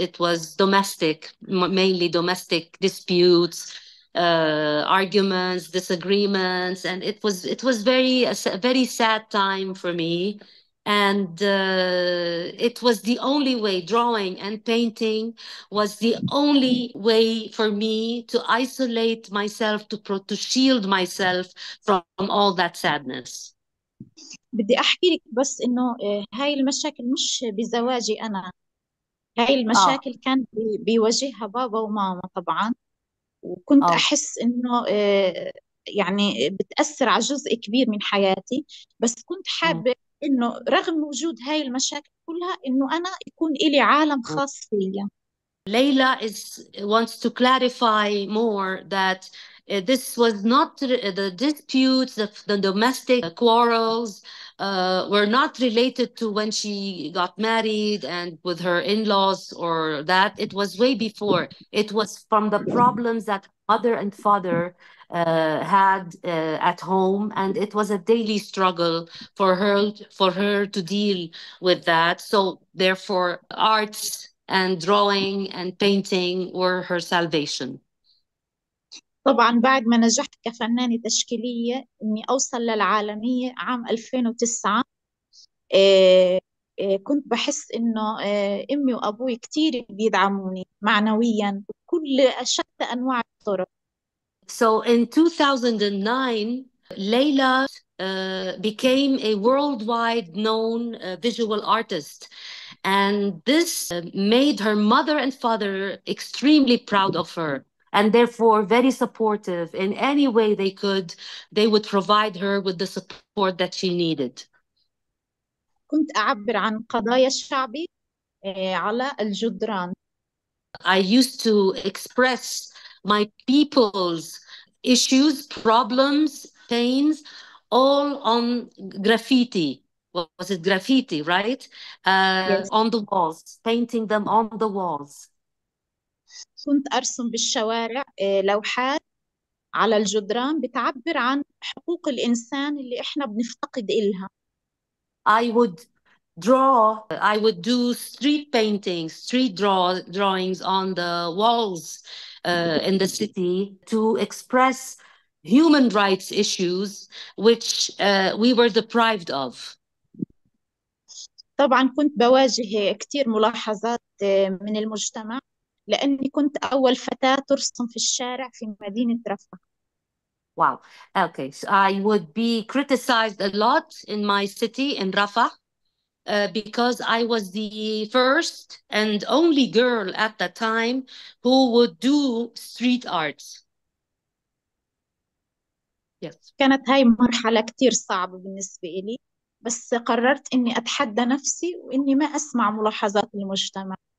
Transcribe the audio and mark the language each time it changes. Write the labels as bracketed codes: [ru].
[en] It was domestic, mainly domestic disputes, arguments, disagreements, and it was very sad time for me. And it was the only way, drawing and painting was the only way for me to isolate myself, to shield myself from all that sadness. [ar] بدي أحكي لك بس إنه هاي المشاكل مش بزواجي أنا، هاي المشاكل كان بيواجهها بابا وماما طبعا، وكنت أحس إنه يعني بتأثر على جزء كبير من حياتي، بس كنت حابة إنه رغم وجود هاي المشاكل كلها إنه أنا يكون إلي عالم خاص فيا. [en] Layla wants to clarify more that this was not the disputes, the domestic quarrels were not related to when she got married and with her in-laws or that. It was way before. It was from the problems that mother and father had at home, and it was a daily struggle for her to deal with that. So therefore, arts and drawing and painting were her salvation. [ar] طبعا بعد ما نجحت كفنانة تشكيلية إني أوصل للعالمية عام 2009، كنت بحس إنه أمي وأبوي كتير بيدعموني معنويا بكل شتى أنواع الطرق. [en] So in 2009, Leila became a worldwide known visual artist. And this made her mother and father extremely proud of her and therefore very supportive in any way they could. They would provide her with the support that she needed. [ar] كنت أعبر عن قضايا الشعبي على الجدران. [en] I used to express my people's issues, problems, pains, all on graffiti. Was it graffiti, right? Yes. On the walls, painting them on the walls. [ar] كنت أرسم بالشوارع لوحات على الجدران بتعبر عن حقوق الإنسان اللي إحنا بنفتقد إلها. [en] I would do street paintings, street drawings on the walls in the city to express human rights issues, which we were deprived of. [ar] طبعا كنت بواجه كثير ملاحظات من المجتمع لأني كنت أول فتاة ترسم في الشارع في مدينة رفح. [en] Wow. Okay. So I would be criticized a lot in my city, in Rafah, because I was the first and only girl at that time who would do street arts. Yes. [ar] كانت هاي مرحلة كثير صعبة بالنسبة إلي، بس قررت إني أتحدى نفسي وإني ما أسمع ملاحظات المجتمع.